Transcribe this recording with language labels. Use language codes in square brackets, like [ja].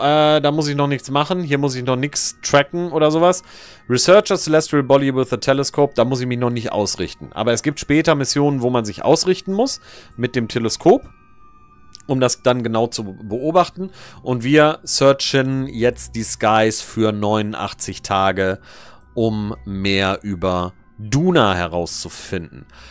[de] Da muss ich noch nichts machen. Hier muss ich noch nichts tracken oder sowas. [en] Researcher Celestial Body with a Telescope. [de] Da muss ich mich noch nicht ausrichten. Aber es gibt später Missionen, wo man sich ausrichten muss mit dem Teleskop, um das dann genau zu beobachten. Und wir searchen jetzt die Skies für 89 Tage, um mehr über Duna herauszufinden.